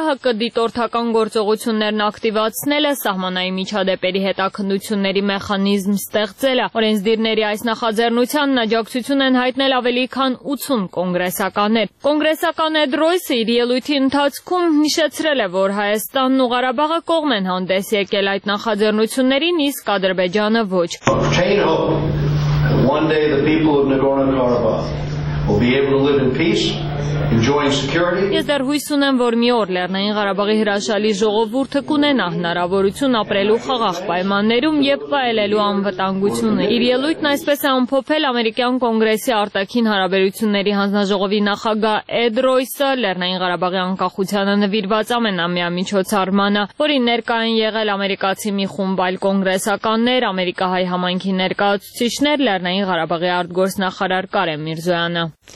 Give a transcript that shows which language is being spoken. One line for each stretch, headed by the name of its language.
Armenian: ՀՀԿ դիտորդական գործողություններն ակտիվացնելը, սահմանային միջադեպերի հետաքննությունների մեխանիզմ ստեղծելը։ Օրենսդիրների այս նախաձեռնությանն աջակցություն են հայտնել ավելի քան 80 կոնգրեսականներ։ Կոնգրեսական Էդ Ռոյսը իր ելույթի ընթացքում նշեցրել է, որ Հայաստանն ու Ղարաբաղը կողմ են հանդես եկել այդ նախաձեռնություններին, իսկ Ադրբեջանը ոչ։ Chain hope.
English: One day the people of Nagorno-Karabakh will be able to live in peace.
Armenian: Ես դեռ հույս ունեմ, որ մի օր Լեռնային Ղարաբաղի հրաշալի ժողովուրդը կունենա հնարավորություն ապրելու խաղաղ պայմաններում եւ վայելելու անվտանգությունը։ Իր ելույթն այսպես է ամփոփել ամերիկյան կոնգրեսի արտաքին հարաբերությունների հանձնաժողովի նախագահ Էդ Ռոյսը Լեռնային Ղարաբաղի անկախությանը նվիրված ամենամյա միջոցառմանը, որին ներկա են եղել ամերիկացի մի խումբ այլ կոնգրեսականներ, ամերիկահայ համայնքի ներկայացուցիչներ, Լեռնային Ղարաբաղի արտգործնախարար Կարեն Միրզոյանը։